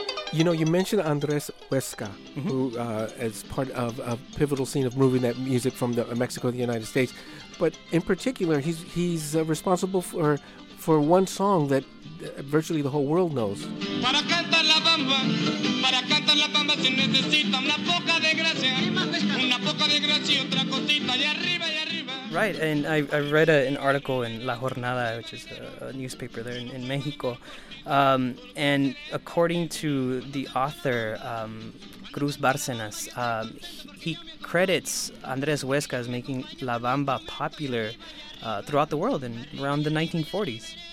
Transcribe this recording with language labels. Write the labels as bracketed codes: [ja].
[en] You know, you mentioned Andres Huesca, mm-hmm. who is part of a pivotal scene of moving that music from Mexico to the United States. But in particular, he's responsible for one song that virtually the whole world knows. [es] Para cantar la bamba, para cantar la bamba, si necesita una poca de gracia, una poca de gracia y otra cosita, y arriba, y arriba. [en] Right, and I read an article in La Jornada, which is a newspaper there in Mexico, and according to the author, Cruz Bárcenas, he credits Andrés Huesca as making La Bamba popular throughout the world in around the 1940s.